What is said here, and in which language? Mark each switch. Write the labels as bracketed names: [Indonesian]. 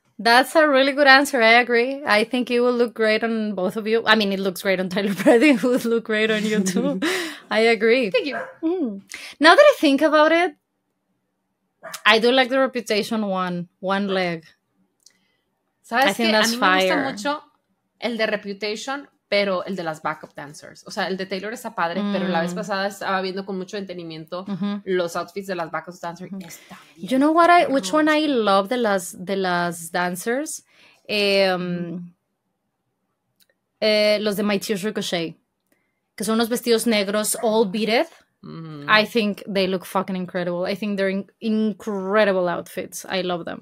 [English] That's a really good answer. I agree. I think it will look great on both of you. I mean, it looks great on Tyler Brady. It would look great on you too. I agree. Thank you. Now that I think about it, I do like the Reputation one leg. [Spanish] ¿Sabes qué? A mí me gusta mucho el de Reputation, pero el de las backup dancers. O sea, el de Taylor está padre, pero la vez pasada estaba viendo con mucho entendimiento los outfits de las backup dancers. [English] You know what which one I love [Spanish] de las [English] dancers? [Spanish] Los de My Tears Ricochet, que son unos vestidos negros [English] all beaded. I think they look fucking incredible. I think they're incredible outfits. I love them.